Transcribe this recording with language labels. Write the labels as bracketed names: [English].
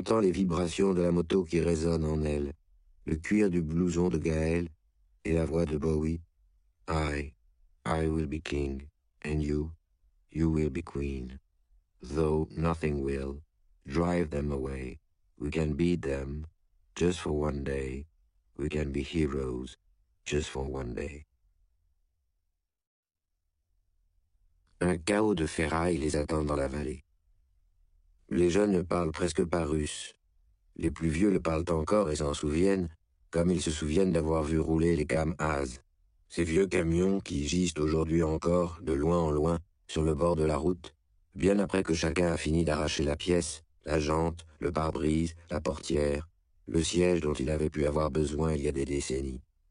[French] J'entends les vibrations de la moto qui résonne en elle, le cuir du blouson de Gaël et la voix de Bowie. [English] I will be king, and you will be queen. Though nothing will drive them away, we can beat them just for one day. We can be heroes just for one day. [French] Un chaos de ferraille les attend dans la vallée. Les jeunes ne parlent presque pas russe. Les plus vieux le parlent encore et s'en souviennent, comme ils se souviennent d'avoir vu rouler les Kamaz, ces vieux camions qui gisent aujourd'hui encore, de loin en loin, sur le bord de la route, bien après que chacun a fini d'arracher la pièce, la jante, le pare-brise, la portière, le siège dont il avait pu avoir besoin il y a des décennies.